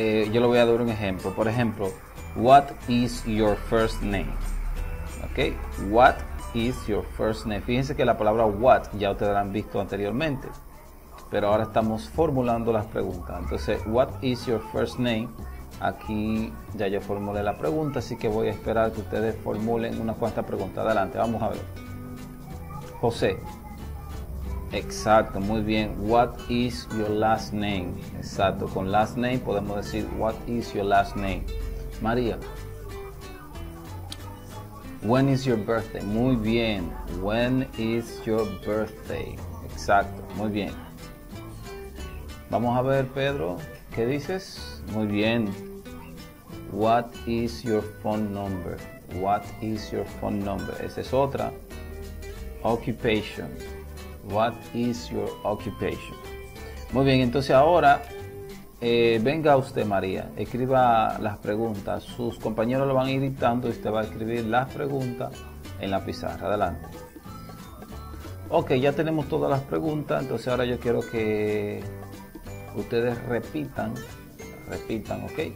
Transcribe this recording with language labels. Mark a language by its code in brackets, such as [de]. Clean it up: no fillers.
[es] Yo le voy a dar un ejemplo. Por ejemplo, [en] what is your first name? [es] Okay. [en] What is your first name? [es] Fíjense que la palabra what ya ustedes la han visto anteriormente, pero ahora estamos formulando las preguntas. Entonces, [en] what is your first name? [es] Aquí ya yo formulé la pregunta, así que voy a esperar que ustedes formulen unas cuantas preguntas. Adelante, vamos a ver. José. Exacto, muy bien. [en] What is your last name? [es] Exacto, con [en] last name [es] podemos decir [en] what is your last name. María. When is your birthday? [es] Muy bien. [en] When is your birthday? [es] Exacto, muy bien. Vamos a ver, Pedro, ¿qué dices? Muy bien. [en] What is your phone number? What is your phone number? [es] Esa es otra. [en] Occupation. What is your occupation? [es] Muy bien, entonces ahora venga usted, María, escriba las preguntas. Sus compañeros lo van a ir dictando y usted va a escribir las preguntas en la pizarra. Adelante. Ok, ya tenemos todas las preguntas, entonces ahora yo quiero que ustedes repitan, ok.